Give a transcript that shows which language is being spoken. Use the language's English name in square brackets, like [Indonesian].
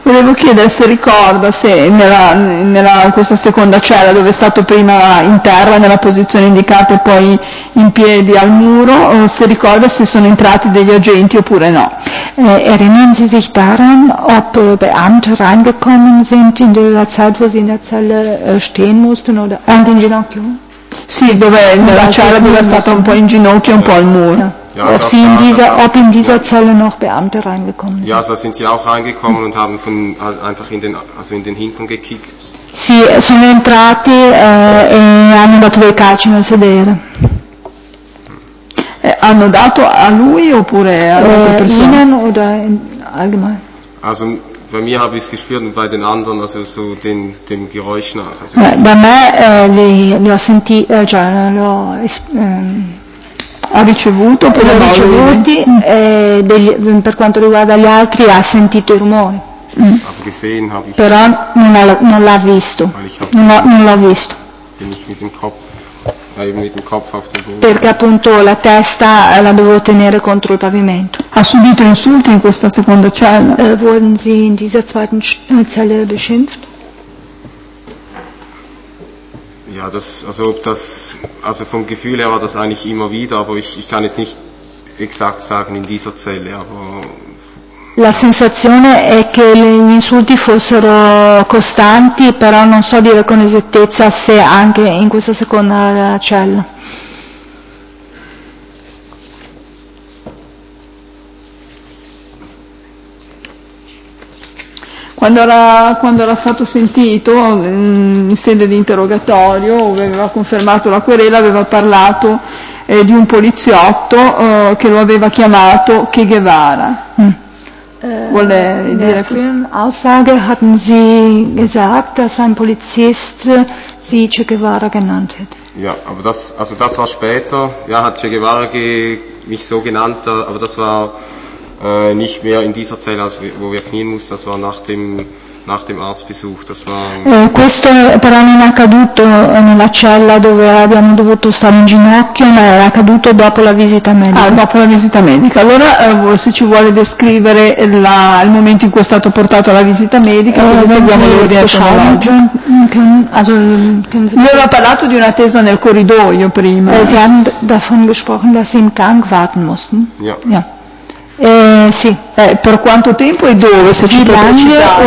[Italian] Volevo chiedere se ricorda se nella questa seconda cella dove è stato prima in terra, nella posizione indicata e poi in piedi al muro, se ricorda se sono entrati degli agenti oppure no. [German] Erinnern Sie sich daran, ob Beamte reingekommen sind in der Zeit, wo Sie in der Zelle stehen mussten oder und [Italian] in Ginocchio? Sì, dove nella cella dove è stato un po' in ginocchio, un po' al muro. [German] Ja, ob Sie in dieser, ob in dieser Zelle noch Beamte reingekommen sind? Ja, so sind Sie auch reingekommen und haben von einfach in den, also in den Hintern gekickt. [Italian] Sì, sono entrati e hanno dato dei calci nel sedere. Hanno dato a lui oppure all'altra persona? [German] Oder in allgemein? Also bei mir habe ich es gespürt und bei den anderen, also so dem Geräusch nach. Also [Italian] da me li ho senti, cioè li ho, ha ricevuto per ho ricevuti e per quanto riguarda gli altri ha sentito i rumori. [German] Aber gesehen habe ich, [Italian] però non l'ha visto. Non l'ho visto. [German] Bin ich mit dem Kopf. Mit dem Kopf auf den Boden. [Italian] Perché appunto la testa la dovevo tenere contro il pavimento. Ha subito insulti in questa seconda cella? [German] Wurden Sie in dieser zweiten Zelle beschimpft? Ja, also vom Gefühl her war das eigentlich immer wieder, aber ich kann jetzt nicht exakt sagen in dieser Zelle, aber... [Italian] La sensazione è che gli insulti fossero costanti, però non so dire con esattezza se anche in questa seconda cella. Quando era stato sentito in sede di interrogatorio, dove aveva confermato la querela, aveva parlato di un poliziotto che lo aveva chiamato Che Guevara. Vuole dire [German] in der Aussage hatten Sie gesagt, dass ein Polizist Sie Che Guevara genannt hat. Ja, aber das war später. Ja, hat Che Guevara mich so genannt, aber das war nicht mehr in dieser Zelle, als wo wir knien mussten, das war nach dem Arztbesuch, das war [Italian] questo però non è accaduto nella cella dove abbiamo dovuto stare in ginocchio, ma era accaduto dopo la visita medica. Ah, dopo la visita medica. Allora se ci vuole descrivere la, il momento in cui è stato portato alla visita medica, seguiamo l'ordine cronologico. Lui aveva parlato di un'attesa nel corridoio prima. [German] Sie haben davon gesprochen, dass sie im Gang warten mussten. Ja. Ja. [Italian] Sì. Per quanto tempo e dove, se ci può precisare?